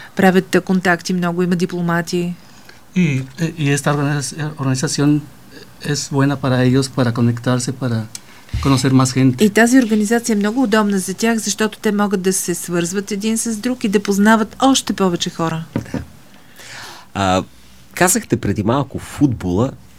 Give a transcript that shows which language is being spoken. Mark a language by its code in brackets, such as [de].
[bg] Правят контакти много, има дипломати. [es] И esta organización es buena para ellos, para conectarse, para conocer más gente. [bg] И тази организация е много удобна за тях, защото те могат да се свързват един с друг и да познават още повече хора. Да. Казахте преди малко футбола.